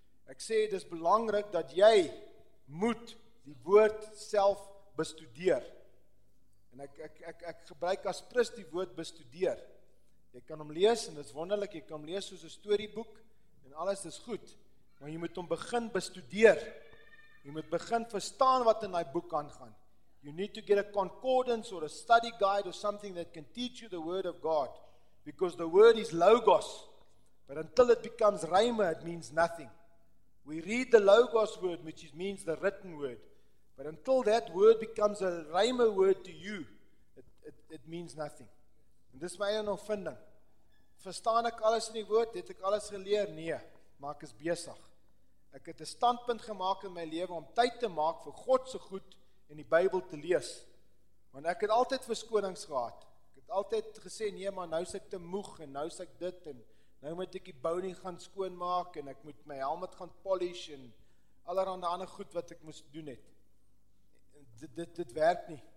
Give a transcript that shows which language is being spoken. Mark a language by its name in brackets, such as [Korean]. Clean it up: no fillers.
[Afrikaans] Ek sê, dis belangrik dat jy moet die woord self bestudeer. En ek gebruik as prus die woord bestudeer. Jy kan hom lees, en dit is wonderlik, jy kan hom lees soos 'n storieboek, en alles is goed, maar jy moet hom begin bestudeer. Jy moet begin verstaan wat in die boek aangaan. [English] You need to get a concordance or a study guide or something that can teach you the word of God. Because the word is logos. But until it becomes rhema, it means nothing. We read the logos word, which means the written word. But until that word becomes a rhema word to you, it means nothing. [Afrikaans] En dis my eie ondervinding. Verstaan ek alles in die woord? Het ek alles geleer? Nee, maar ek is besig. Ek het 'n standpunt gemaak in my lewe om tyd te maak vir God se goed en die Bybel te lees. Want ek het altyd verskonings gehad. Ek het altyd gesê, nee, maar nou is ek te moeg en nou is ek dit en nou moet ek die bouding gaan skoonmaak en ek moet my helmet gaan polish en allerhande ander goed wat ek moes doen het. Dit werk nie.